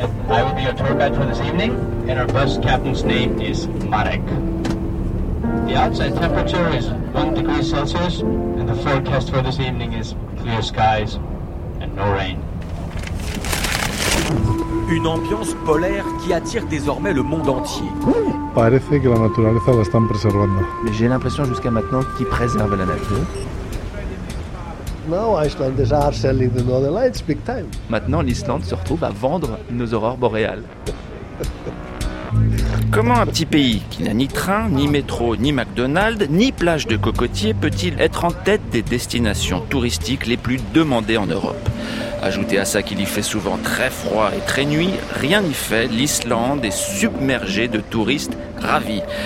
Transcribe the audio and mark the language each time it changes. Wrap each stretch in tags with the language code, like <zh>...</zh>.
<en>I will be your tour guide for this evening, and our bus captain's name is Marek. The outside temperature is 1 degree Celsius, and the forecast for this evening is clear skies and no rain.</en> <fr>Une ambiance polaire qui attire désormais le monde entier.</fr> <es>Parece que la naturaleza la están preservando.</es> <fr>Mais j'ai l'impression jusqu'à maintenant qu'ils préservent la nature.</fr> <en>Now Icelanders are selling the Northern Lights big time.</en> <fr>Maintenant l'Islande se retrouve à vendre nos aurores boréales. Comment un petit pays qui n'a ni train, ni métro, ni McDonald's, ni plage de cocotiers peut-il être en tête des destinations touristiques les plus demandées en Europe ? Ajoutez à ça qu'il y fait souvent très froid et très nuit, rien n'y fait, l'Islande est submergée de touristes ravis.</fr>